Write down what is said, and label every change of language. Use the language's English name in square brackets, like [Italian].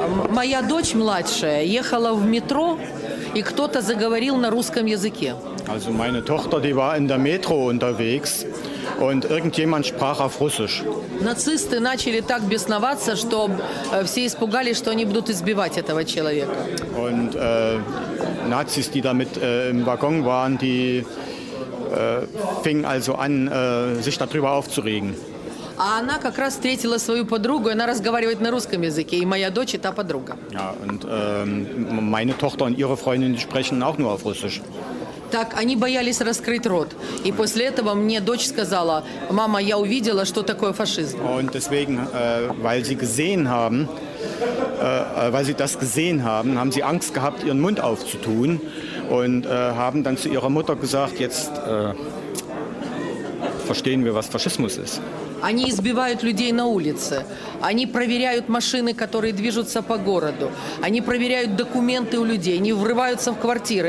[Russian] Моя дочь младшая ехала в метро, и кто-то заговорил на русском языке. [German] Also meine Tochter, die war in der Metro unterwegs und irgendjemand sprach auf Russisch. [Russian] Нацисты начали так бесноваться, что все испугались, что они будут избивать этого человека. [German] Und Nazis, die damit im Waggon waren, die fingen also an, sich darüber aufzuregen. [Russian] А она как раз встретила свою подругу, она разговаривает на русском языке, и моя дочь и та подруга. [German] Ja, und meine Tochter und ihre Freundin, die sprechen auch nur auf Russisch. [Russian] Так, они боялись раскрыть рот. И после этого мне дочь сказала: «Мама, я увидела, что такое фашизм». [German] Und deswegen, weil sie gesehen haben, weil sie das gesehen haben, haben sie Angst gehabt, ihren Mund aufzutun und haben dann zu ihrer Mutter gesagt: «Jetzt verstehen wir, was Faschismus ist». [Russian] Они избивают людей на улице. Они проверяют машины, которые движутся по городу. Они проверяют документы у людей. Они врываются в квартиры.